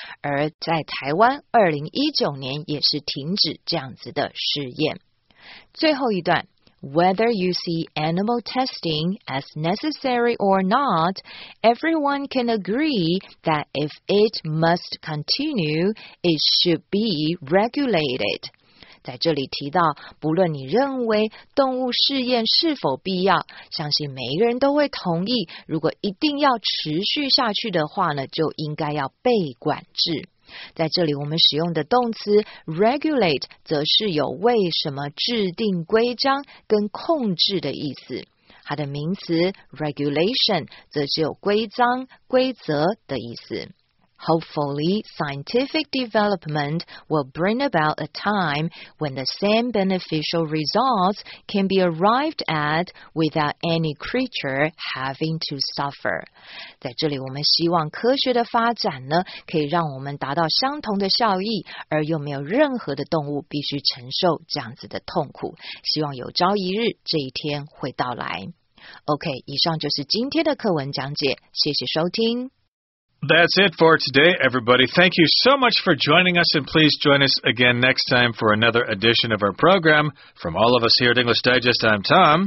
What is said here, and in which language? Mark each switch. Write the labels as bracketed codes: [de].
[zh] 而在台湾2019年也是停止这样子的试验。最后一段， [en] Whether you see animal testing as necessary or not, everyone can agree that if it must continue, it should be regulated. [zh] 在这里提到，不论你认为动物试验是否必要，相信每一个人都会同意，如果一定要持续下去的话呢，就应该要被管制。在这里我们使用的动词 regulate 则是有为什么制定规章跟控制的意思，它的名词 regulation 则是有规章规则的意思。 [en] Hopefully scientific development will bring about a time when the same beneficial results can be arrived at without any creature having to suffer。 [zh] 在这里我们希望科学的发展呢，可以让我们达到相同的效益，而又没有任何的动物必须承受这样子的痛苦，希望有朝一日这一天会到来。 OK， 以上就是今天的课文讲解，谢谢收听。 [en] That's it for today everybody. Thank you so much for joining us, and please join us again next time for another edition of our program. From all of us here at English Digest, I'm Tom.